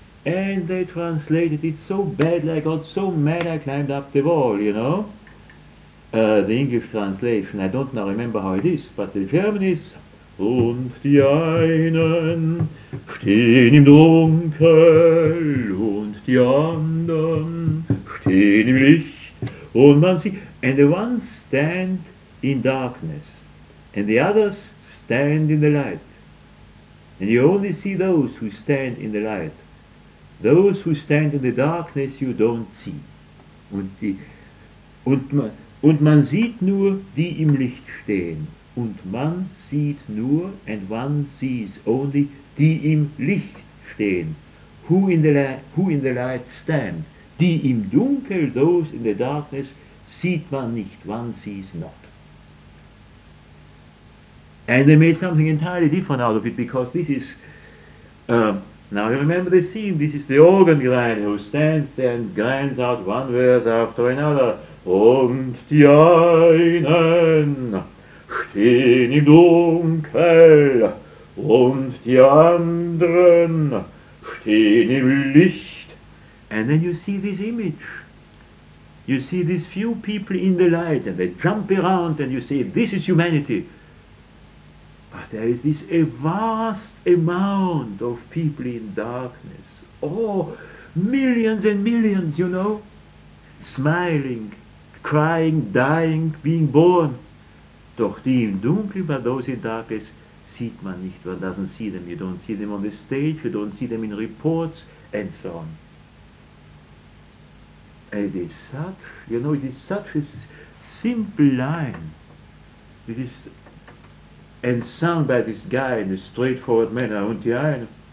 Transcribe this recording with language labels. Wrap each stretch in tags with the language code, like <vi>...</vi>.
<en>And they translated it so badly, I got so mad I climbed up the wall, you know. The English translation, I don't now remember how it is, but the German is,</en> <de>und die einen stehen im Dunkel, und die anderen stehen im Licht, und man sieht,</de> <en>and the ones stand in darkness, and the others stand in the light. And you only see those who stand in the light. Those who stand in the darkness you don't see.</en> <de>Und man sieht nur, die im Licht stehen. Und man sieht nur,</de> <en>and one sees only,</en> <de>die im Licht stehen.</de> <en>Who in the light stand.</en> <de>Die im Dunkel,</de> <en>those in the darkness,</en> <de>sieht man nicht.</de> <en>One sees not. And they made something entirely different out of it, because this is, now you remember the scene, this is the organ grinder who stands there and grinds out one verse after another.</en> <de>Und die einen stehen im Dunkel, und die anderen stehen im Licht.</de> <en>And then you see this image. You see these few people in the light, and they jump around, and you say, this is humanity. But there is this a vast amount of people in darkness. Oh, millions and millions, you know, smiling, crying, dying, being born.</en> <de>Doch die im Dunkel,</de> <en>but those in darkness,</en> <de>sieht man nicht.</de> <en>One doesn't see them. You don't see them on the stage. You don't see them in reports, and so on. It is such, you know, it is such a simple line. It is, and sung by this guy in a straightforward manner,</en> <de>und die einen.</de>